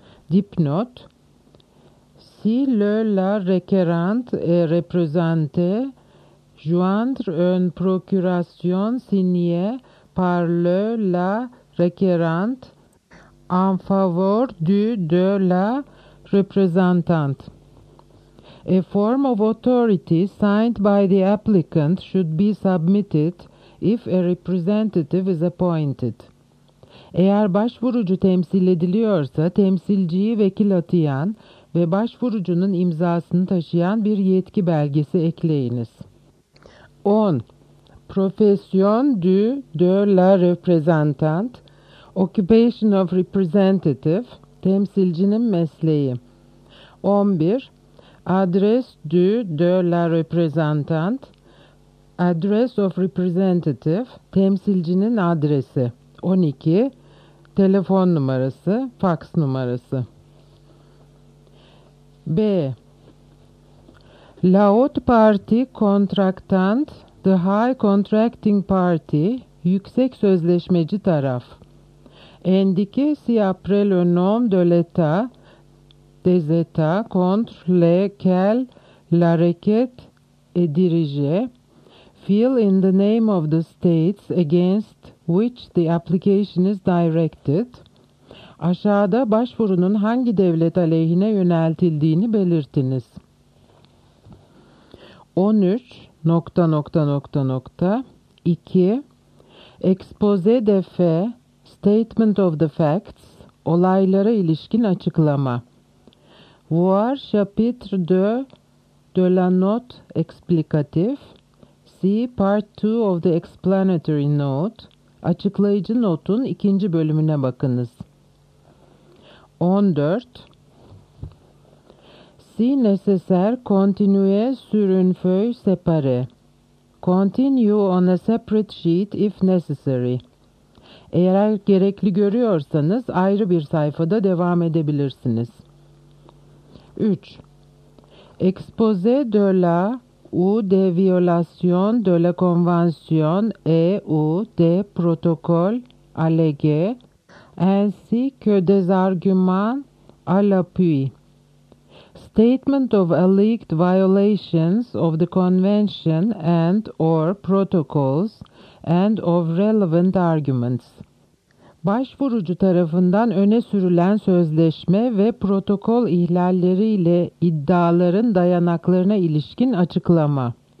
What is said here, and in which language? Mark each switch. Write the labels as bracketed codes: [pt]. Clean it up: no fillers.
[fr] Dipnot, si le la requérante est représenté, joindre une procuration signée par le la requérante en faveur de la représentante. [en] A form of authority signed by the applicant should be submitted if a representative is appointed. [tr] Eğer başvurucu temsil ediliyorsa, temsilciyi vekil atayan ve başvurucunun imzasını taşıyan bir yetki belgesi ekleyiniz. [fr] 10. Profession de la représentant, [en] occupation of representative, [tr] temsilcinin mesleği. [fr] 11. Adresse de la représentant, [en] address of representative, [tr] temsilcinin adresi. [fr] 12. [tr] Telefon numarası, fax numarası. [fr] B. La haute partie contractante, [en] the high contracting party, [tr] yüksek sözleşmeci taraf. [fr] Indiqué ci-après le nom de l'état, des états contre lesquels la requête est dirigée. [en] Fill in the name of the states against which the application is directed. [tr] Aşağıda başvurunun hangi devlet aleyhine yöneltildiğini belirtiniz. 13. Nokta nokta nokta nokta. [en] 2. [fr] Exposé de fait, [en] statement of the facts, [tr] olaylara ilişkin açıklama. [fr] Voir chapitre 2 de la note explicative. [en] See part 2 of the explanatory note. [tr] Açıklayıcı notun ikinci bölümüne bakınız. [en] 14. [fr] Si nécessaire, continuez sur une feuille séparée. [en] Continue on a separate sheet if necessary. [tr] Eğer gerekli görüyorsanız ayrı bir sayfada devam edebilirsiniz. 3. [fr] Exposé de la ou des violations de la convention et ou des protocoles allégués ainsi que des arguments à l'appui. [en] Statement of alleged violations of the convention and or protocols and of relevant arguments. [tr] Başvurucu tarafından öne sürülen sözleşme ve protokol ihlalleriyle iddiaların dayanaklarına ilişkin açıklama.